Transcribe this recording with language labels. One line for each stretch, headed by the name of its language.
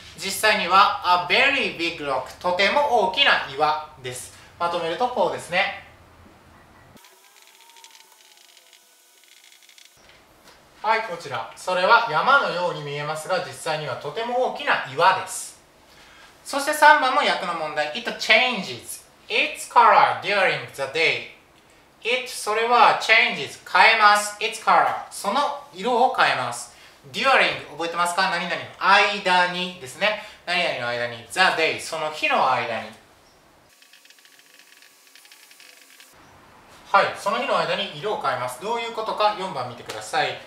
Japanese: 実際には
English: a very big rock
Japanese: とても大きな岩です。まとめるとこうですね。はい、こちら、それは山のように見えますが実際にはとても大きな岩です。そして3番も訳の問題。
English: It changes its color during the day.
Japanese: It それは changes 変えます。Its color その色を変えます。 During 覚えてますか？何々の間にですね。何々の間に the day その日の間に。はい、その日の間に色を変えます。どういうことか4番見てください。